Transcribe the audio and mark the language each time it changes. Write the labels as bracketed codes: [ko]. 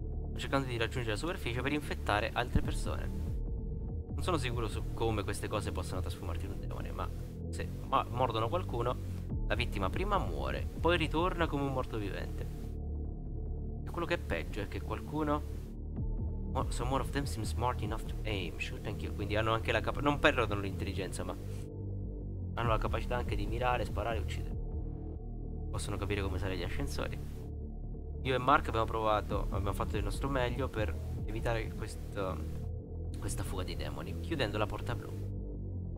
[it] Sto cercando di raggiungere la superficie per infettare altre persone. Non sono sicuro su come queste cose possano trasformarti in un demone, ma se mordono qualcuno, la vittima prima muore, poi ritorna come un morto vivente. Quello che è peggio è che qualcuno... [en] some more of them seem smart enough to aim, shoot and kill. [it] Quindi hanno anche la capacità... non perdono l'intelligenza, ma... hanno la capacità anche di mirare, sparare e uccidere. Possono capire come usare gli ascensori. Io e Mark abbiamo provato... abbiamo fatto il nostro meglio per evitare questo... questa fuga di demoni, chiudendo la porta blu.